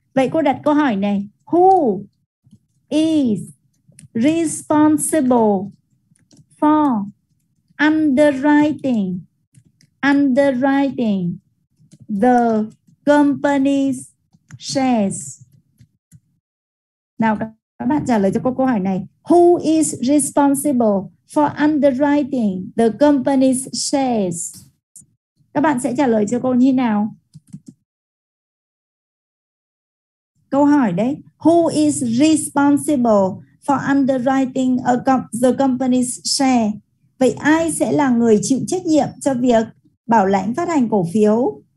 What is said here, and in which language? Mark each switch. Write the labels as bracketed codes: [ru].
[vi] Vậy cô đặt câu hỏi này, [en] who is responsible for underwriting the company's shares? [vi] Nào các bạn trả lời cho cô câu hỏi này. [en] Who is responsible for underwriting the company's shares? [vi] Các bạn sẽ trả lời cho cô như nào? Câu hỏi đấy. [en] Who is responsible for underwriting the company's share? [vi] Vậy ai sẽ là người chịu trách nhiệm cho việc bảo lãnh phát hành cổ phiếu?